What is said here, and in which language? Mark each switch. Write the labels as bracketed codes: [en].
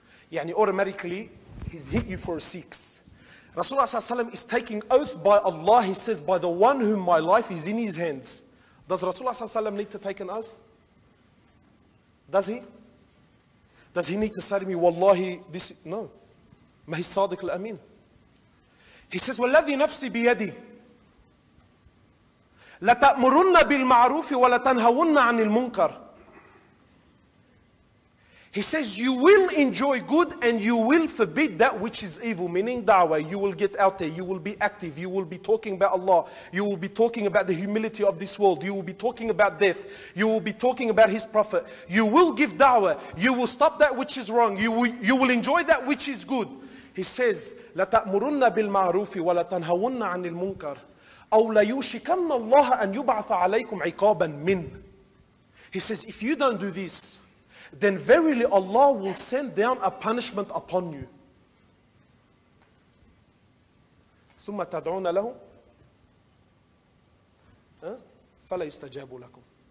[en] يعني automatically, he's hit you for a six. Rasulullah ﷺ is taking oath by Allah. He says, by the one whom my life is in his hands. Does Rasulullah ﷺ need to take an oath? Does he? Does he need to say to me, Wallahi, this... No. May he sadiq al-ameen. He says, [ar] وَالَّذِي نَفْسِي بِيَدِهِ. لَتَأْمُرُنَّ بِالْمَعْرُوفِ وَلَتَنْهَوُنَّ عَنِ الْمُنْكَرِ. [en] He says, you will enjoy good and you will forbid that which is evil, meaning da'wah. You will get out there, you will be active, you will be talking about Allah, you will be talking about the humility of this world, you will be talking about death, you will be talking about His Prophet, you will give da'wah, you will stop that which is wrong, you will enjoy that which is good. He says, [ar] لَتَأْمُرُنَّ بِالْمَعْرُوفِ وَلَتَنْهَوُنَّ عَنِ الْمُنْكَرِ. أَوْ لَيُوشِكَنَّ اللَّهَ أَنْ يُبْعَثَ عَلَيْكُمْ عِقَابًا مِنْ. [en] He says, if you don't do this, then verily Allah will send down a punishment upon you. [ar] ثُمَّ تَدْعُونَ لَهُمْ فَلَا يُسْتَجَابُ لَكُمْ.